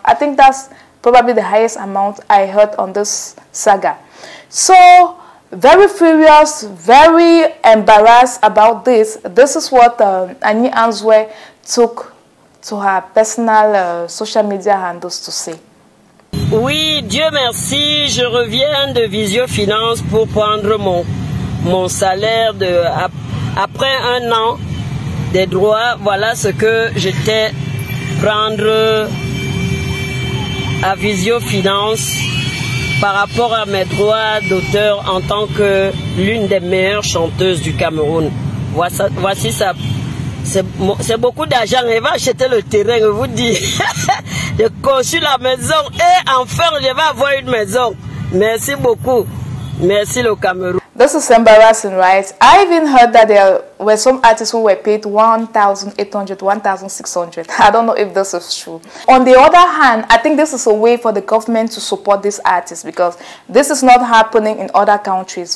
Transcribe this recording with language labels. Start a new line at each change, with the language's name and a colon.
English: I think that's probably the highest amount I heard on this saga. So, very furious, very embarrassed about this. This is what Annie Anzwe took to her personal social media handles to say.
French: Oui, Dieu merci, je reviens de Visio Finance pour prendre mon salaire de... Après un an des droits, voilà ce que j'étais prendre à Visio Finance par rapport à mes droits d'auteur en tant que l'une des meilleures chanteuses du Cameroun. Voici ça. C'est beaucoup d'argent. Je vais acheter le terrain, je vous dis. Je construis la maison et enfin je vais avoir une maison. Merci beaucoup. Merci le Cameroun.
English: This is embarrassing, right? I even heard that there were some artists who were paid 1,800, 1,600. I don't know if this is true. On the other hand, I think this is a way for the government to support these artists because this is not happening in other countries.